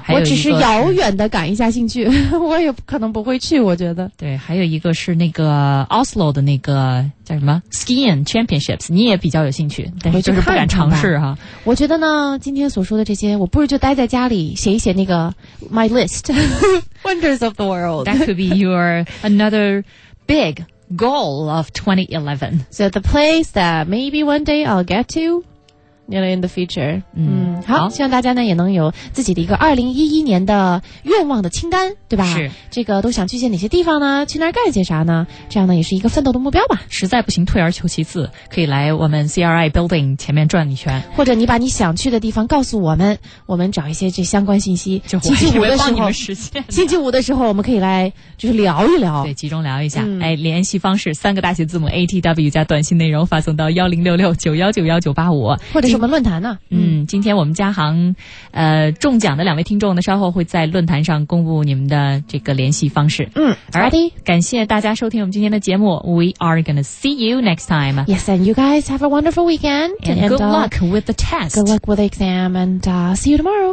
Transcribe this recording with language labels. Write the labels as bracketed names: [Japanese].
[Chinese] 我只是遥远的感一下兴趣。我也可能不会去我觉得。对还有一个是那个 Oslo 的那个叫什么 ?Skiing Championships, 你也比较有兴趣但是就是不敢尝试哈。我觉得呢今天所说的这些我不如就待在家里写一写那个 [English] my list. Wonders of the world. That could be your another big,goal of 2011. So the place that maybe one day I'll get to, you know, in the future. [Chinese] 好希望大家呢也能有自己的一个2011年的愿望的清单对吧是。这个都想去些哪些地方呢去那儿干些啥呢这样呢也是一个奋斗的目标吧。实在不行退而求其次可以来我们 CRI Building 前面转一圈。或者你把你想去的地方告诉我们我们找一些这相关信息。就我以为帮你们实现。星期五的时候我们可以来就是聊一聊。对集中聊一下。联系方式三个大写字母 ATW 加短信内容发送到 1066-919-1985。或者什么论坛呢今天我们嘉行中奖的两位听众呢稍后会在论坛上公布你们的这个联系方式。 [English] Ready? [Chinese] 感谢大家收听我们今天的节目。 [English] We are gonna see you next time. Yes, and you guys have a wonderful weekend. And good luck with the test. Good luck with the exam and see you tomorrow.